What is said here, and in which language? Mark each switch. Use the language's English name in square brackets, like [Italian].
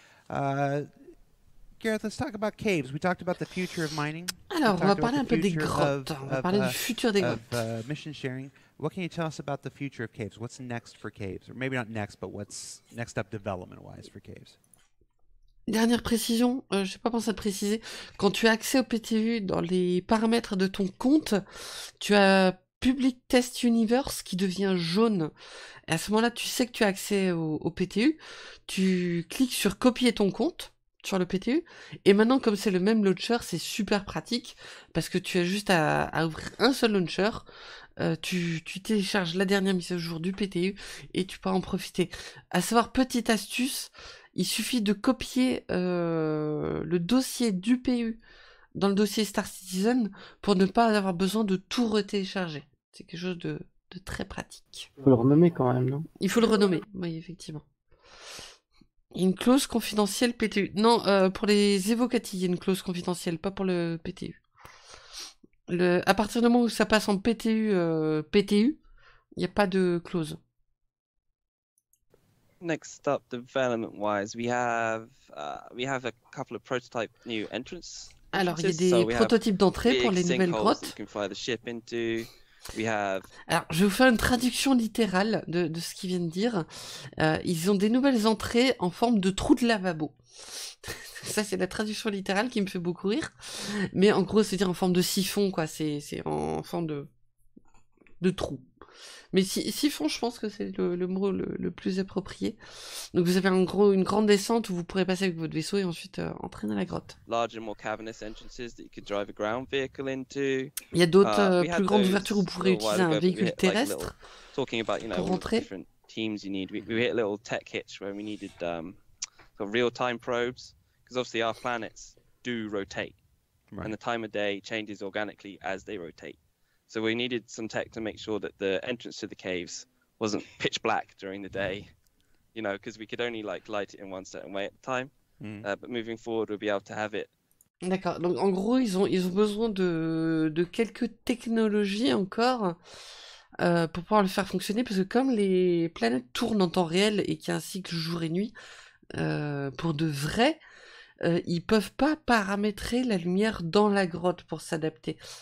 [English] Gareth, let's talk about caves. We talked about the future of mining. [French] Alors, on va parler un peu des grottes. On va parler du futur des grottes. [English] Mission sharing. What can you tell us about the future of caves? What's next for caves? Or maybe not next, but what's next up development-wise for caves? [French] Dernière précision. Je n'ai pas pensé à te préciser. Quand tu as accès au PTU dans les paramètres de ton compte, tu as Public Test Universe qui devient jaune. Et à ce moment-là, tu sais que tu as accès au PTU. Tu cliques sur copier ton compte sur le PTU. Et maintenant, comme c'est le même launcher, c'est super pratique parce que tu as juste à ouvrir un seul launcher. Tu télécharges la dernière mise à jour du PTU et tu pourras en profiter. À savoir, petite astuce, il suffit de copier le dossier du PU dans le dossier Star Citizen pour ne pas avoir besoin de tout retélécharger. C'est quelque chose de très pratique. Il faut le renommer quand même, non? Il faut le renommer, oui, effectivement. Une clause confidentielle PTU. Non, pour les Evocati, il y a une clause confidentielle, pas pour le PTU. À partir du moment où ça passe en PTU, PTU, il n'y a pas de clause. [English] Next up, development-wise, we have a couple of prototype new entrance. [French] Alors, il y a des prototypes d'entrée pour les nouvelles grottes. [English] You can fly the ship into. We have... [French] Alors, je vais vous faire une traduction littérale de ce qu'ils viennent dire. Ils ont des nouvelles entrées en forme de trous de lavabo. Ça, c'est la traduction littérale qui me fait beaucoup rire. Mais en gros, c'est-à-dire en forme de siphon, quoi. C'est en forme de trou. Mais siphon, je pense que c'est le mot le plus approprié. Donc vous avez en gros une grande descente où vous pourrez passer avec votre vaisseau et ensuite entrer dans la grotte. [English] Larger, more cavernous entrances that you could drive a ground vehicle into. [French] Il y a d'autres plus grandes ouvertures où vous pourrez utiliser un véhicule terrestre pour rentrer. [English] Teams you need. We hit a little tech hitch where we needed real-time probes because obviously our planets do rotate right. And the time of day changes organically as they rotate. So we needed some tech to make sure that the entrance to the caves wasn't pitch black during the day, you know, because we could only like light it in one certain way at the time. Mm. But moving forward, we'll be able to have it. [French] D'accord. Donc en gros, ils ont besoin de quelques technologies encore pour pouvoir le faire fonctionner, parce que comme les planètes tournent en temps réel et qu'il y a un cycle jour et nuit pour de vrai, ils peuvent pas paramétrer la lumière dans la grotte pour s'adapter.